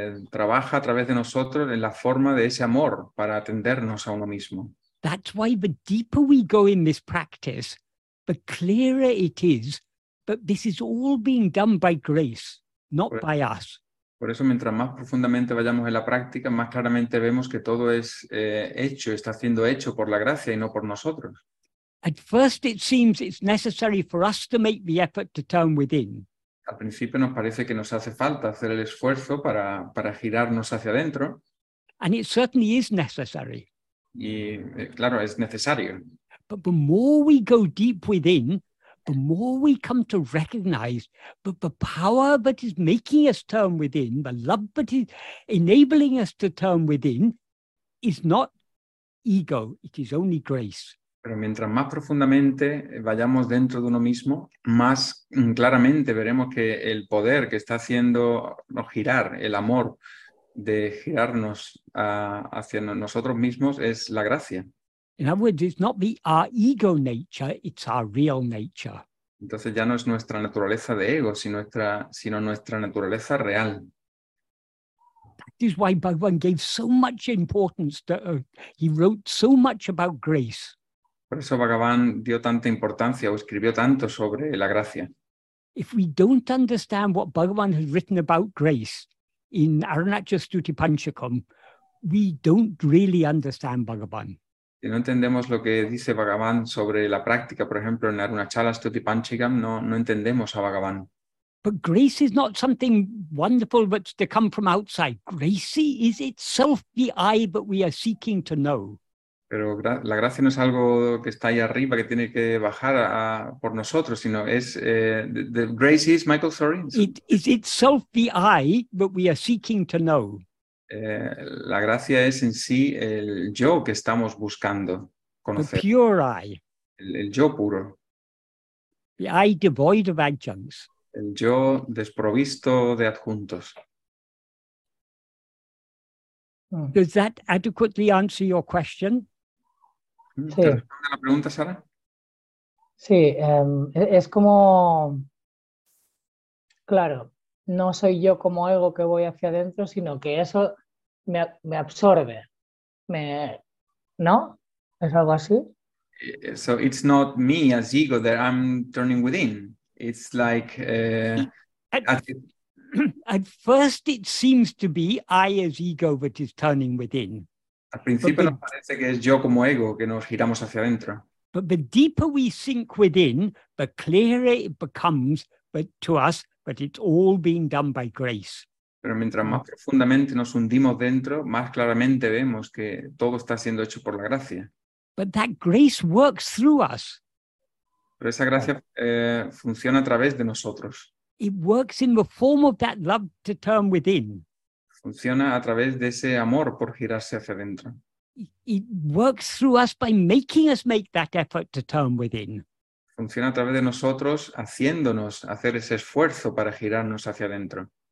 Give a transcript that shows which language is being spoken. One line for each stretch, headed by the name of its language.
Spanish: Trabaja a través de nosotros en la forma de ese amor para atendernos a uno mismo.
English: That's why the deeper we go in this practice, the clearer it is that this is all being done by grace, not by us.
Spanish: Por eso, mientras más profundamente vayamos en la práctica, más claramente vemos que todo es está siendo hecho por la gracia y no por nosotros.
English: At first it seems it's necessary for us to make the effort to turn within.
Spanish: Al principio nos parece que nos hace falta hacer el esfuerzo para girarnos hacia adentro.
English: And it certainly is necessary.
Spanish: Y claro, es necesario.
English: But the more we go deep within, the more we come to recognize that the power that is making us turn within, the love that is enabling us to turn within, is not ego, it is only grace.
Spanish: Pero mientras más profundamente vayamos dentro de uno mismo, más claramente veremos que el poder que está haciéndonos girar, el amor de girarnos hacia nosotros mismos, es la gracia.
English: In other words, it's not our ego nature, it's our real nature.
Spanish: Entonces ya no es nuestra naturaleza de ego, sino nuestra naturaleza real.
English: That is why Bhagavan gave so much importance to he wrote so much about grace.
Spanish: Por eso Bhagavan dio tanta importancia o escribió tanto sobre la gracia.
English: If we don't understand what Bhagavan has written about grace in Arunachastutipanchakam, we don't really understand Bhagavan.
Spanish: Si no entendemos lo que dice Bhagavan sobre la práctica, por ejemplo, en Aruna Chala Stuti Panchikam, no entendemos a Bhagavan.
English: But grace is not something wonderful that's to come from outside. Grace is itself the eye that we are seeking to know.
Spanish: Pero la gracia no es algo que está ahí arriba, que tiene que bajar por nosotros, sino es...
English: the grace is, Michael, sorry. It is itself the eye that we are seeking to know.
Spanish: La gracia es en sí el yo que estamos buscando conocer.
English: The pure eye.
Spanish: El yo puro.
English: The eye devoid of adjuncts.
Spanish: El yo desprovisto de adjuntos.
English: Does that adequately answer your question?
Spanish: ¿Te responde la pregunta, Sara? Sí, es como... Claro, no soy yo como ego que voy hacia adentro, sino que eso me absorbe. ¿No? ¿Es algo así?
English: So it's not me as ego that I'm turning within. It's like... At first it seems to be I as ego that is turning within.
Spanish: Al principio nos parece que es yo como ego que nos giramos hacia adentro.
English: But the deeper we sink within, the clearer it becomes to us that it's all being done by grace.
Spanish: Pero mientras más profundamente nos hundimos dentro, más claramente vemos que todo está siendo hecho por la gracia.
English: But that grace works through us.
Spanish: Pero esa gracia funciona a través de nosotros.
English: It works in the form of that love to turn within.
Spanish: Funciona a través de ese amor por girarse hacia adentro.
English: It works through us by making us make that effort to turn within.
Spanish: Funciona a través de nosotros haciéndonos hacer ese esfuerzo para girarnos hacia adentro.